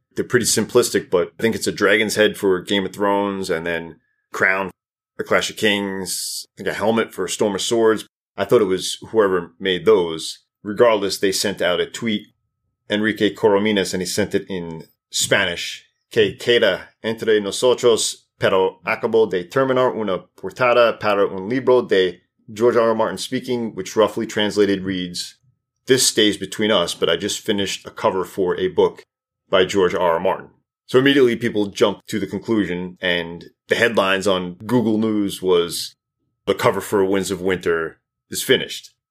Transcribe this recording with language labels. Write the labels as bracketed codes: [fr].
[en] They're pretty simplistic, but I think it's a dragon's head for Game of Thrones and then crown for A Clash of Kings, I think a helmet for A Storm of Swords. I thought it was whoever made those. Regardless, they sent out a tweet, Enrique Corominas, and he sent it in Spanish. [es] Que queda entre nosotros, pero acabo de terminar una portada para un libro de George R. R. [en] Martin speaking, which roughly translated reads, this stays between us, but I just finished a cover for a book by George R. R. Martin. So immediately people jumped to the conclusion, and the headlines on Google News was, the cover for Winds of Winter is finished.